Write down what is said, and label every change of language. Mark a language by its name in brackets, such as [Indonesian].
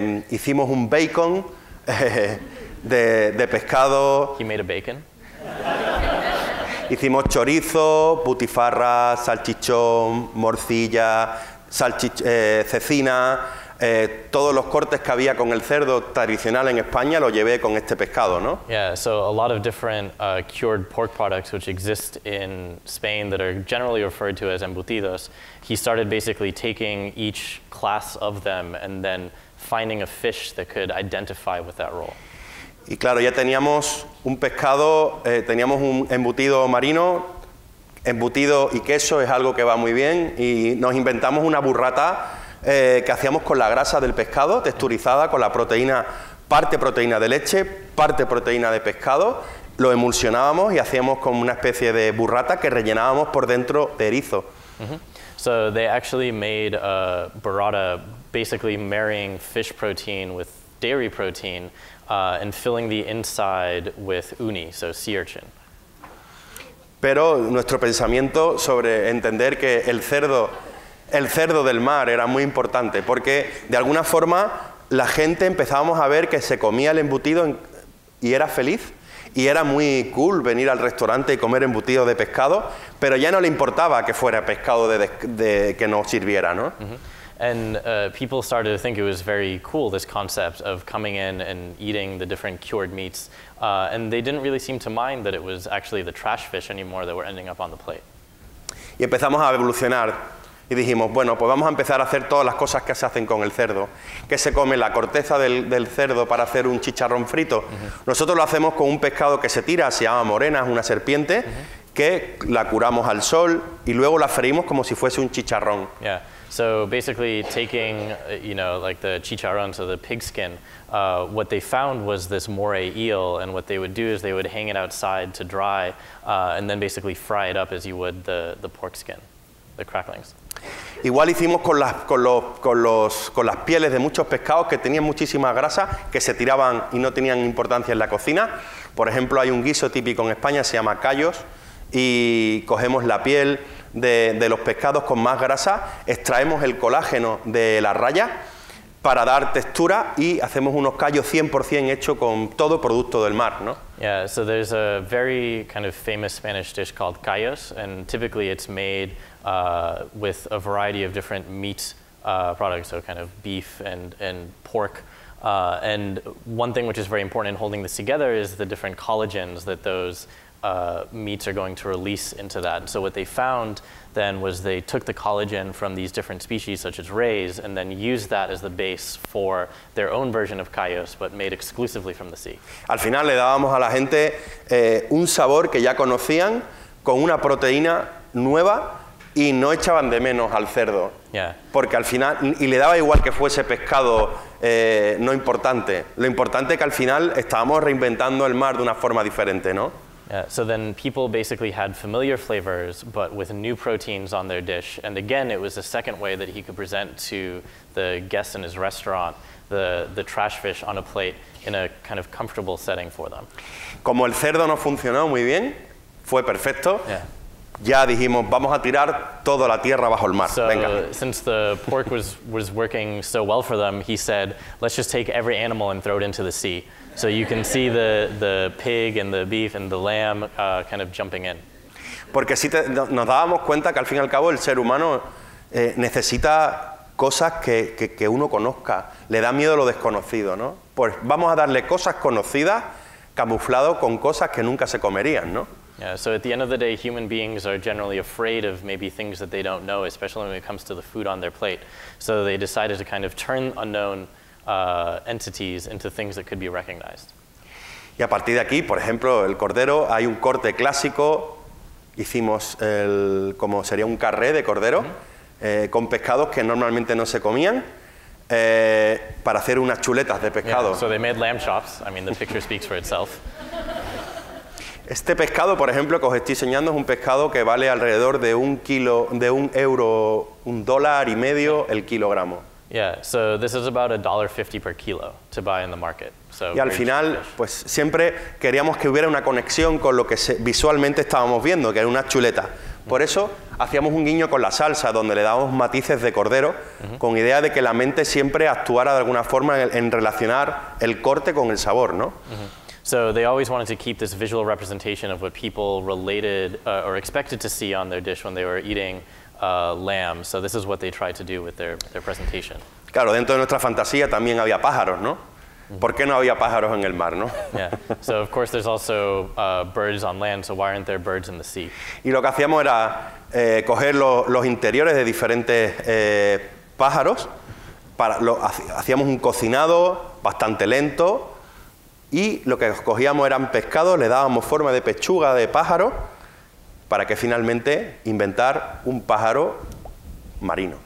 [Spanish] Hicimos un bacon de pescado. [English] He made a bacon. [Spanish] Hicimos chorizo, butifarra, salchichón, morcilla, cecina, todos los cortes que había con el cerdo tradicional en España lo llevé con este pescado, ¿no? [English] Yeah, so a lot of different cured pork products which exist in Spain that are generally referred to as embutidos. He started basically taking each class of them and then finding a fish that could identify with that role. [Spanish] Y claro, ya teníamos un pescado, teníamos un embutido marino. Embutido y queso es algo que va muy bien, y nos inventamos una burrata que hacíamos con la grasa del pescado, texturizada con la proteína, parte proteína de leche, parte proteína de pescado, lo emulsionábamos y hacíamos como una especie de burrata que rellenábamos por dentro de erizo. Mm-hmm. [English] So they actually made a burrata, basically marrying fish protein with dairy protein and filling the inside with uni, so sea urchin. [Spanish] Pero nuestro pensamiento sobre entender que el cerdo del mar era muy importante, porque de alguna forma la gente empezábamos a ver que se comía el embutido y era feliz, y era muy cool venir al restaurante y comer embutido de pescado, pero ya no le importaba que fuera pescado de que no sirviera, ¿no? Mm-hmm. [English] And people started to think it was very cool, this concept of coming in and eating the different cured meats. And they didn't really seem to mind that it was actually the trash fish anymore that were ending up on the plate. [Spanish] Y empezamos a evolucionar y dijimos, bueno, pues vamos a empezar a hacer todas las cosas que se hacen con el cerdo. Que se come la corteza del cerdo para hacer un chicharrón frito. Mm-hmm. Nosotros lo hacemos con un pescado que se tira, se llama morena, es una serpiente, mm-hmm. que la curamos al sol y luego la freímos como si fuese un chicharrón. [English] Yeah. So basically taking, you know, like the chicharrón, so the pig skin, what they found was this moray eel, and what they would do is they would hang it outside to dry and then basically fry it up as you would the pork skin, the cracklings. [Spanish] Igual hicimos con las pieles de muchos pescados que tenían muchísima grasa, que se tiraban y no tenían importancia en la cocina. Por ejemplo, hay un guiso típico en España, se llama callos, y cogemos la piel de los pescados con más grasa, extraemos el colágeno de la raya para dar textura y hacemos unos callos 100% hechos con todo producto del mar, ¿no? [English] Yeah, so there's a very kind of famous Spanish dish called callos, and typically it's made with a variety of different meat products, so kind of beef and pork. And one thing which is very important in holding this together is the different collagens that those meats are going to release into that. So what they found then was they took the collagen from these different species such as rays and then used that as the base for their own version of callos, but made exclusively from the sea. [Spanish] Al final le dábamos a la gente un sabor que ya conocían con una proteína nueva y no echaban de menos al cerdo. [English] Yeah. [Spanish] Porque al final, y le daba igual que fuese pescado no importante. Lo importante es que al final estábamos reinventando el mar de una forma diferente, ¿no? [English] So then people basically had familiar flavors, but with new proteins on their dish. And again, it was a second way that he could present to the guests in his restaurant the trash fish on a plate in a kind of comfortable setting for them. [Spanish] Como el cerdo no funcionó muy bien, fue perfecto. [English] Yeah. [Spanish] Ya dijimos, vamos a tirar toda la tierra bajo el mar. [English] So, [Spanish] venga. [English] Since the pork was working so well for them, he said, let's just take every animal and throw it into the sea. So you can see the pig and the beef and the lamb kind of jumping in. [Spanish] Porque si nos dábamos cuenta que al fin y al cabo el ser humano necesita cosas que uno conozca. Le da miedo lo desconocido, ¿no? Pues vamos a darle cosas conocidas camuflado con cosas que nunca se comerían, ¿no? [English] Yeah, so at the end of the day, human beings are generally afraid of maybe things that they don't know, especially when it comes to the food on their plate. So they decided to kind of turn unknown entities into things that could be recognized. [Spanish] Y a partir de aquí, por ejemplo, el cordero, hay un corte clásico. Hicimos el, como sería un carré de cordero, con pescados que normalmente no se comían, para hacer unas chuletas de pescado. [English] Yeah, so they made lamb chops. I mean, the picture speaks for itself. [Spanish] Este pescado, por ejemplo, que os estoy enseñando, es un pescado que vale alrededor de un kilo, de un euro, un dólar y medio el kilogramo. [English] Yeah, so this is about $1.50 per kilo to buy in the market. So [Spanish] y al final, pues siempre queríamos que hubiera una conexión con lo que visualmente estábamos viendo, que era una chuleta. Por eso hacíamos un guiño con la salsa, donde le dábamos matices de cordero, con idea de que la mente siempre actuara de alguna forma en relacionar el corte con el sabor, ¿no? [English] So they always wanted to keep this visual representation of what people related or expected to see on their dish when they were eating lamb. So this is what they tried to do with their presentation. [Spanish] Claro, dentro de nuestra fantasía también había pájaros, ¿no? ¿Por qué no había pájaros en el mar, no? [English] Yeah. So of course there's also birds on land, so why aren't there birds in the sea? [Spanish] Y lo que hacíamos era coger los interiores de diferentes pájaros. Hacíamos un cocinado bastante lento. Y lo que cogíamos eran pescados, le dábamos forma de pechuga de pájaro para que finalmente inventar un pájaro marino.